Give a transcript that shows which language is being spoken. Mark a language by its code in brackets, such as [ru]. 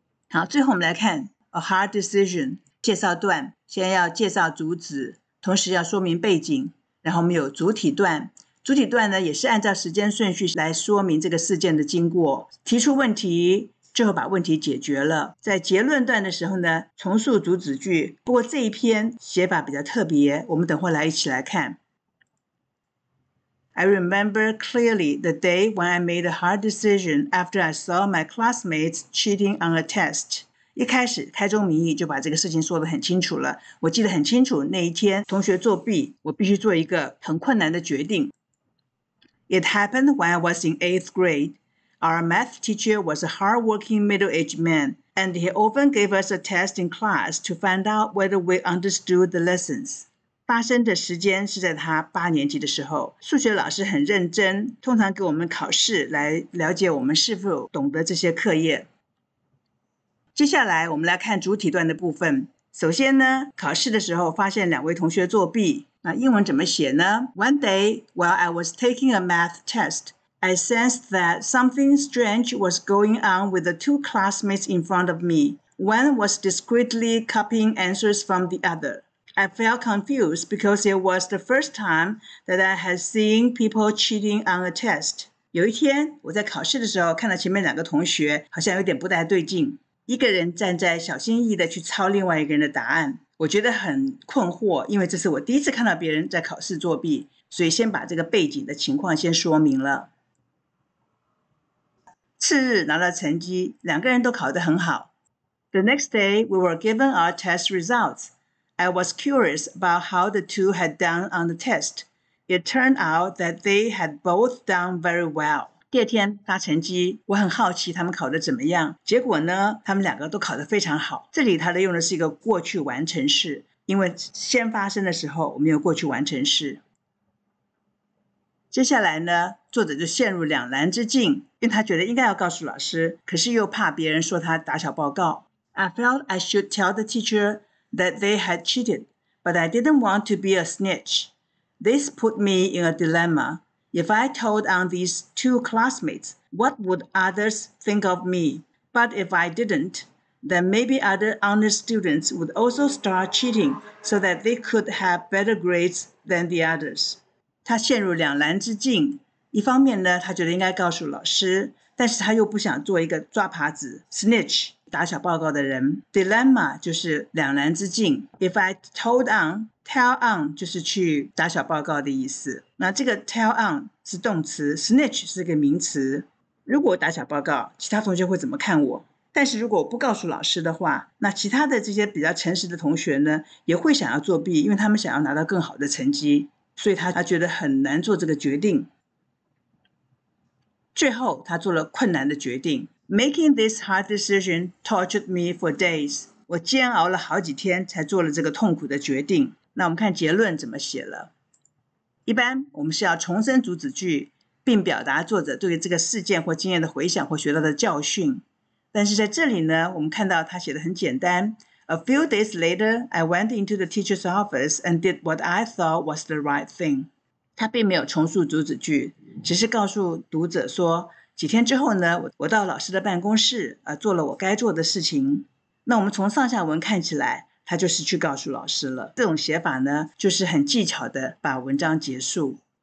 [zh] 好，最后我们来看 A Hard Decision 介绍段，先要介绍主旨，同时要说明背景，然后我们有主体段，主体段呢也是按照时间顺序来说明这个事件的经过，提出问题，最后把问题解决了。在结论段的时候呢，重述主旨句，不过这一篇写法比较特别，我们等会来一起来看。 [en] I remember clearly the day when I made a hard decision after I saw my classmates cheating on a test. [zh] 一开始开宗明义就把这个事情说得很清楚了。我记得很清楚那一天同学作弊，我必须做一个很困难的决定。 [en] It happened when I was in 8th grade. Our math teacher was a hard-working middle-aged man, and he often gave us a test in class to find out whether we understood the lessons. [zh] 发生的时间是在他八年级的时候，数学老师很认真，通常给我们考试来了解我们是否懂得这些课业。接下来我们来看主体段的部分。首先呢，考试的时候发现两位同学作弊，那英文怎么写呢？ [en] One day, while I was taking a math test, I sensed that something strange was going on with the two classmates in front of me. One was discreetly copying answers from the other. I felt confused because it was the first time that I had seen people cheating on a test. [zh] 有一天，我在考试的时候看到前面两个同学好像有点不太对劲，一个人站在小心翼翼的去抄另外一个人的答案，我觉得很困惑，因为这是我第一次看到别人在考试作弊，所以先把这个背景的情况先说明了。次日拿到成绩，两个人都考得很好。 [en] The next day, we were given our test results. I was curious about how the two had done on the test. It turned out that they had both done very well. [zh] 第二天发成绩，我很好奇他们考得怎么样。结果呢，他们两个都考得非常好。这里他用的是一个过去完成式，因为先发生的时候我们有过去完成式。接下来呢，作者就陷入两难之境，因为他觉得应该要告诉老师，可是又怕别人说他打小报告。 [en] I felt I should tell the teacher that they had cheated, but I didn't want to be a snitch. This put me in a dilemma. If I told on these two classmates, what would others think of me? But if I didn't, then maybe other honor students would also start cheating so that they could have better grades than the others. [zh] 他陷入两难之境，一方面呢，他觉得应该告诉老师，但是他又不想做一个抓耙子 snitch 打小报告的人。 Dilemma 就是两难之境。 [en] If I told on, [zh] tell on 就是去打小报告的意思。那这个 tell on 是动词， snitch 是个名词。如果打小报告，其他同学会怎么看我？但是如果不告诉老师的话，那其他的这些比较诚实的同学呢，也会想要作弊，因为他们想要拿到更好的成绩，所以他觉得很难做这个决定。最后他做了困难的决定。 [en] Making this hard decision tortured me for days. [zh] 我煎熬了好几天才做了这个痛苦的决定。那我们看结论怎么写了。一般我们是要重申主旨句，并表达作者对于这个事件或经验的回想或学到的教训。但是在这里呢，我们看到他写的很简单。 [en] A few days later, I went into the teacher's office and did what I thought was the right thing. [zh] 他并没有重述主旨句，只是告诉读者说，几天之后呢，我到老师的办公室，做了我该做的事情。那我们从上下文看起来，他就是去告诉老师了。这种写法呢，就是很技巧的把文章结束。